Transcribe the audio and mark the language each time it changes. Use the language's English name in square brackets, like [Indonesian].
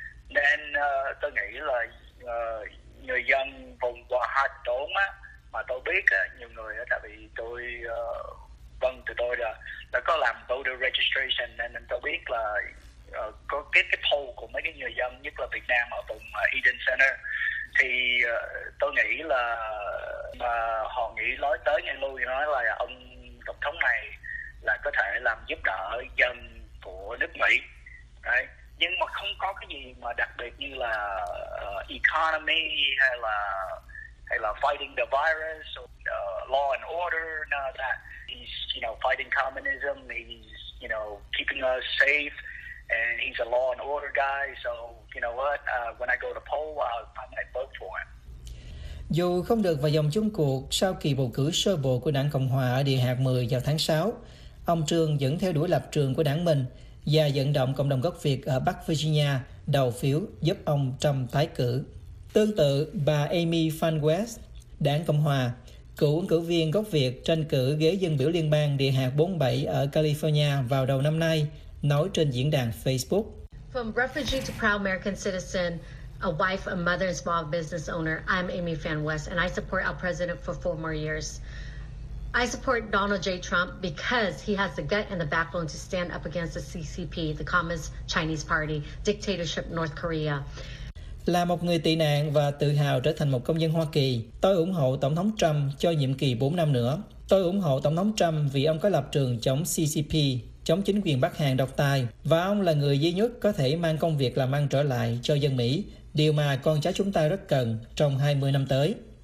[Vietnamese] Nên tôi nghĩ là người dân vùng Hòa Hạt Đốn á, mà tôi biết nhiều người á, tại vì tôi vâng từ tôi đã có làm [English] voter registration [Vietnamese] nên tôi biết là có cái poll của mấy cái người dân, nhất là Việt Nam ở vùng Eden Center, thì tôi nghĩ là mà họ nghĩ nói tới nghe lui nói là ông tổng thống này là có thể làm giúp đỡ dân của nước Mỹ. Đấy. Nhưng mà không có cái gì mà đặc biệt như là economy hay là [English] fighting the virus or law and order, none of that. He's, you know, fighting communism, he's, you know, keeping us safe, and he's a law and order guy, so you know what, when I go to poll, I might vote for him. [Vietnamese] Dù không được vào vòng chung cuộc sau kỳ bầu cử sơ bộ của Đảng Cộng hòa ở địa hạt 10 vào tháng 6, ông Trương vẫn theo đuổi lập trường của đảng mình và vận động cộng đồng gốc Việt ở Bắc Virginia đầu phiếu giúp ông Trump tái cử. Tương tự, bà Amy Van West, Đảng Cộng hòa, cựu ứng cử viên gốc Việt tranh cử ghế dân biểu liên bang địa hạt 47 ở California vào đầu năm nay, nói trên diễn đàn Facebook. [English] From refugee to proud American citizen, a wife, a mother, and small business owner, I'm Amy Van West, and I support our president for 4 more years. I support Donald J. Trump because he has the gut and the backbone to stand up against the CCP, the Communist Chinese Party, dictatorship North Korea. [Vietnamese] Là một người tị nạn và tự hào trở thành một công dân Hoa Kỳ, tôi ủng hộ Tổng thống Trump cho nhiệm kỳ 4 năm nữa. Tôi ủng hộ Tổng thống Trump vì ông có lập trường chống CCP, chống chính quyền Bắc Hàn độc tài, và ông là người duy nhất có thể mang công việc làm ăn trở lại cho dân Mỹ, điều mà con cháu chúng ta rất cần trong 20 năm tới.